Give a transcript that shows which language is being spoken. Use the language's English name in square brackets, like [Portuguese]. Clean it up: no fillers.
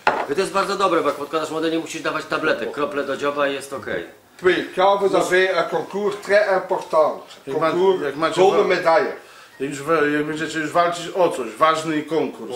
[Polish] I to jest bardzo dobre, bo jak odkładasz młode, nie musisz dawać tabletek. Krople do dzioba i jest okej. Okay. [French] Quand vous avez un concours très important, concours gold medaille. [Polish] Jak będziecie już walczyć o coś, ważny konkurs.